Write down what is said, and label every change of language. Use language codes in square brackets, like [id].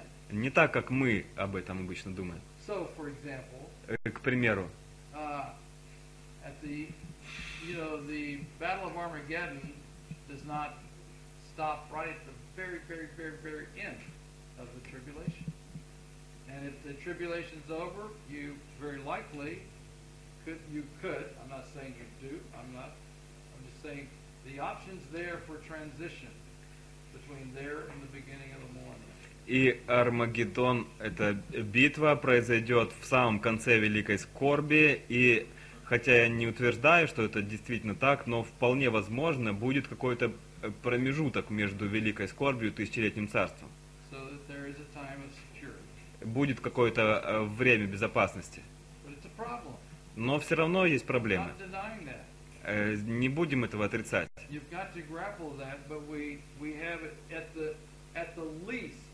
[ru] Не так, как мы об этом обычно думаем. [en] So, for example, [ru] к примеру, [en] at the, you know, the Battle of Armageddon does not stop right at the very, very, very, very end of the tribulation. And if the tribulation's over, you very likely could, I'm not saying you do, I'm just saying the option's there for transition between there and the beginning of the morning. [ru] И Армагеддон, эта битва, произойдет в самом конце Великой Скорби, и хотя я не утверждаю, что это действительно так, но вполне возможно, будет какой-то промежуток между Великой Скорбью и Тысячелетним Царством. [en] So that there is a time of security. [ru] Будет какое-то время безопасности. [en] But it's a problem. [ru] Но все равно есть проблемы. [en] Not denying that. [ru] Не будем этого отрицать. [en] You've got to grapple that, but we have it at the least.